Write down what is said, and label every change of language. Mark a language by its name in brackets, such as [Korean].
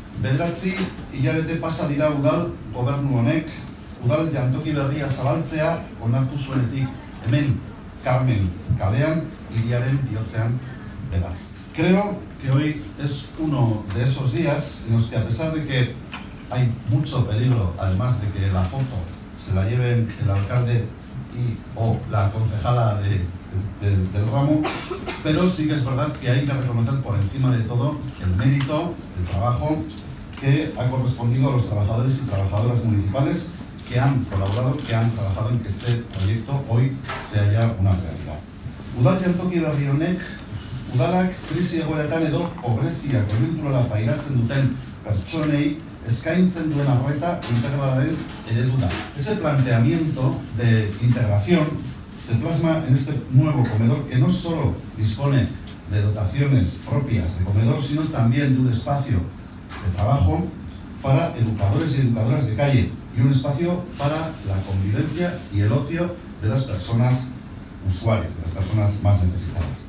[Basque] bederatzi hilabete pasa dira udal gobernu honek udal jantoki berria zabaltzea onartu zuenetik hemen Carmen kalean hiriaren bihotzean beraz. [Spanish] Creo que hoy es uno de esos días en los que a pesar de que hay mucho peligro, además de que la foto se la lleven el alcalde y o la concejala del ramo, pero sí que es verdad que hay que reconocer por encima de todo el mérito, el trabajo que ha correspondido a los trabajadores y trabajadoras municipales que han colaborado, que han trabajado en que este proyecto hoy se haya una realidad. [Basque] Udal jantoki berri honek, udalak krisi egoeratan edo pobrezia konjunturala pairatzen duten pertsonei eskaintzen duen arreta integralaren eredu da. [Spanish] Ese planteamiento de integración se plasma en este nuevo comedor que no solo dispone de dotaciones propias de comedor, sino también de un espacio de trabajo para educadores y educadoras de calle y un espacio para la convivencia y el ocio de las personas usuarias, de las personas más necesitadas.